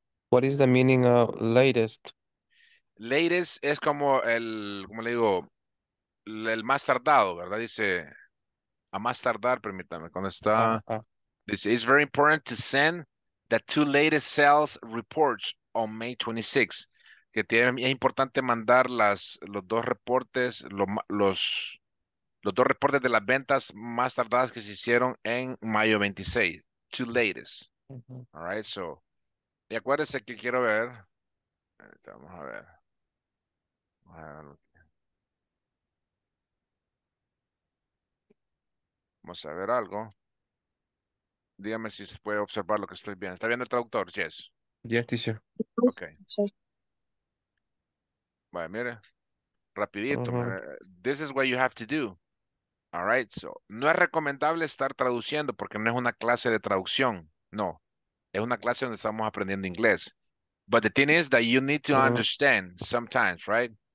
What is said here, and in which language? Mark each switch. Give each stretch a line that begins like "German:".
English: What is the meaning of latest?
Spanish: Latest es como el, ¿cómo le digo? el más tardado, ¿verdad? Dice, a más tardar, permítame, ¿cuándo está? Dice,
English: it's very important to send the two latest sales reports on May 26th.
Spanish: Que tiene, es importante mandar las, los dos reportes, lo, los dos reportes de las ventas más tardadas que se hicieron en mayo 26.
English: Two latest.
Spanish: Mm-hmm.
English: All right, so,
Spanish: y acuérdense que quiero ver, vamos a ver. Vamos a ver algo. Dígame si se puede observar lo que estoy viendo. ¿Está viendo el traductor?
English: Yes. Yes, teacher. Okay.
Spanish: Bueno, mire. Rapidito.
English: Uh-huh. This is what you have to do. All right.
Spanish: So, no es recomendable estar traduciendo porque no es una clase de traducción. No. Es una clase donde estamos aprendiendo inglés.
English: But the thing is that you need to understand sometimes, right?